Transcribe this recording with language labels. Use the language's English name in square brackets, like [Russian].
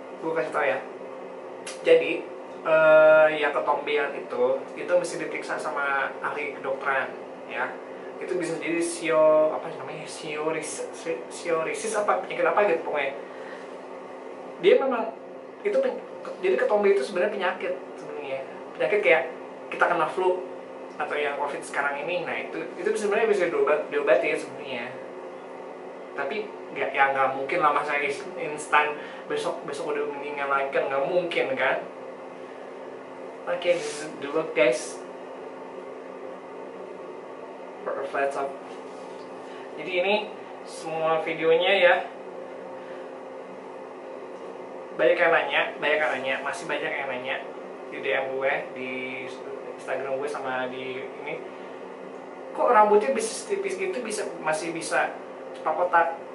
[Indonesian] Gue kasih tau ya, jadi ya ketombean itu mesti diperiksa sama ahli kedokteran ya, itu bisa jadi psoriasis apa penyakit apa gitu, pokoknya dia memang itu jadi ketombean itu sebenarnya penyakit kayak kita kena flu atau yang covid sekarang ini. Nah itu sebenarnya bisa diobati ya sebenarnya, tapi nggak ya, nggak mungkin lah masa instan besok udah mendingan lagi kan, nggak mungkin kan. [English] Okay, this is the look guys for a flat top. [Indonesian] Jadi ini semua videonya ya, banyak yang nanya masih banyak yang nanya di DM gue di Instagram gue sama di ini, kok rambutnya bisa tipis gitu, bisa masih bisa cepat kotak.